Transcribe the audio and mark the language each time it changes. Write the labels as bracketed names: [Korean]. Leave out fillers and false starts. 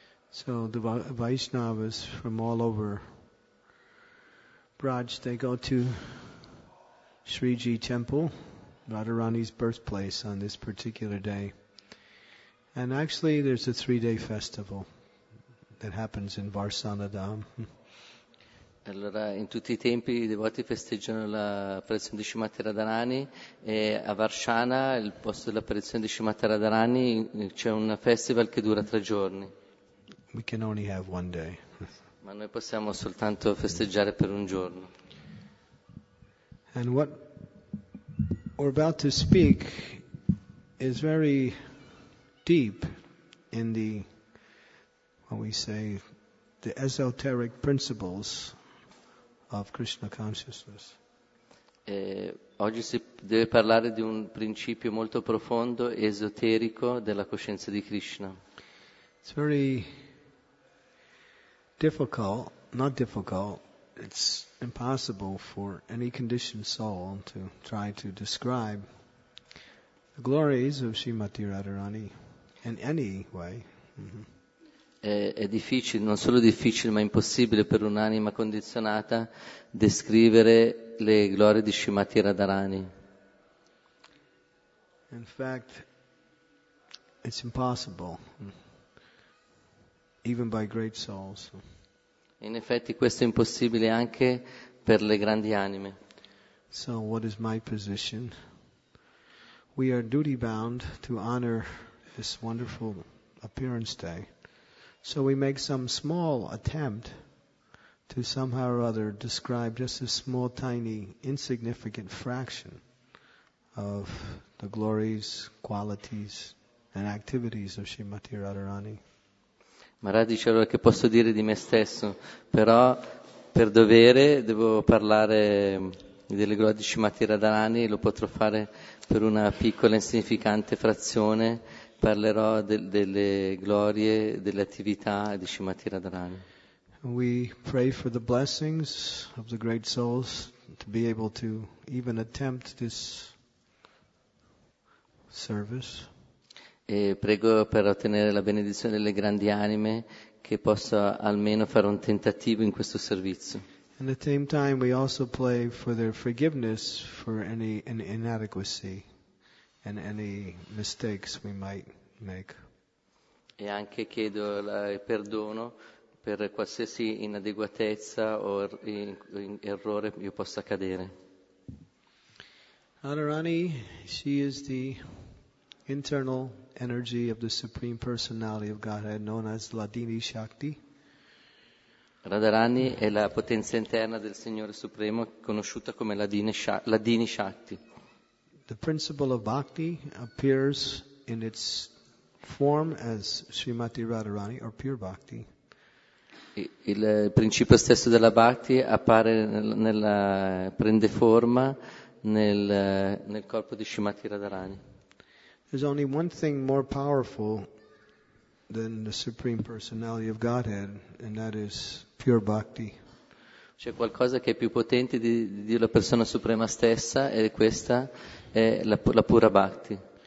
[English] So the Vaishnavas from all over Braj, they go to Sriji Temple, Radharani's birthplace, on this particular day. And actually there's a 3-day festival that happens in Varsana Dham. [Italian] Allora in tutti i tempi i devoti festeggiano l'apparizione di Srimati Radharani e a Varsana, il posto dell'apparizione di Srimati Radharani, c'è un festival che dura 3 giorni. [English] We can only have one day. [Italian] Ma noi possiamo soltanto festeggiare per un giorno. [English] And what we're about to speak is very deep in the, what we say, the esoteric principles of Krishna consciousness. [Italian] Oggi si deve parlare di un principio molto profondo, esoterico, della coscienza di Krishna. [English] It's very difficult, not difficult, it's impossible for any conditioned soul to try to describe the glories of Srimati Radharani in any way. [Italian] È difficile, non solo difficile, ma impossibile per un'anima condizionata descrivere le glorie di Srimati Radharani. [English] In fact, it's impossible. even by great souls. [Italian] In effetti questo è impossibile anche per le grandi anime. [English] So what is my position? We are duty bound to honor this wonderful appearance day. So we make some small attempt to somehow or other describe just a small, tiny, insignificant fraction of the glories, qualities and activities of Srimati Radharani. [Italian] Maharaj dice allora che posso dire di me stesso, però per dovere devo parlare delle glorie di Srimati Radharani, lo potrò fare per una piccola insignificante frazione, parlerò delle glorie, delle attività di Srimati Radharani. [English] We pray for the blessings of the great souls to be able to even attempt this service. [Italian] E prego per ottenere la benedizione delle grandi anime che possa almeno fare un tentativo in questo servizio. [English] At the same time we also pray for their forgiveness for any inadequacy and any mistakes we might make. [Italian] E anche chiedo il perdono per qualsiasi inadeguatezza o errore io possa cadere. [English] Radharani, she is the internal energy of the Supreme Personality of Godhead, known as Ladini Shakti. [Italian] Radharani è la potenza interna del Signore Supremo, conosciuta come Ladini Shakti. [English] The principle of bhakti appears in its form as Srimati Radharani, or pure bhakti. [Italian] Il principio stesso della bhakti appare prende forma nel corpo di Srimati Radharani. [English] There's only one thing more powerful than the Supreme Personality of Godhead, and that is pure bhakti. [Italian] C'è qualcosa che è più potente di Dio la persona suprema stessa, e questa è la pura bhakti.